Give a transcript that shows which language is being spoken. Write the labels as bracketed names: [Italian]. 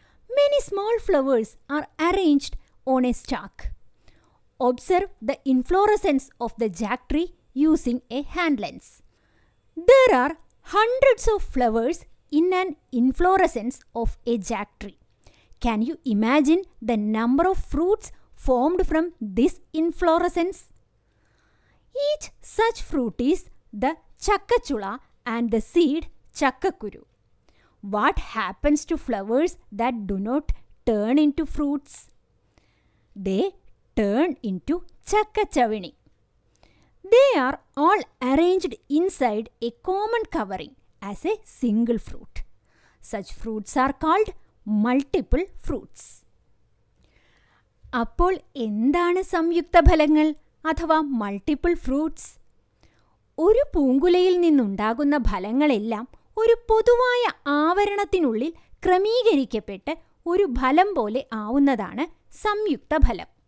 [English] Many small flowers are arranged on a stack. Observe the inflorescence of the jack tree using a hand lens. There are hundreds of flowers in an inflorescence of a jack tree. Can you imagine the number of fruits formed from this inflorescence? Each such fruit is the chakkachula and the seed chakkakuru. What happens to flowers that do not turn into fruits? They turn into chakkachavini. They are all arranged inside a common covering as a single fruit. Such fruits are called multiple fruits. [Malayalam] അപ്പോൾ എന്താണ് സംയുക്ത ഫലങ്ങൾ അഥവാ multiple fruits? ഒരു പൂങ്കുലയിൽ നിന്നുണ്ടാകുന്ന ഫലങ്ങളെല്ലാം ഒരു പൊതുവായ ആവരണത്തിനുള്ളിൽ ക്രമീകരിക്കപ്പെട്ട് ഒരു ഫലം പോലെ ആവുന്നതാണ് സംയുക്ത ഫലം.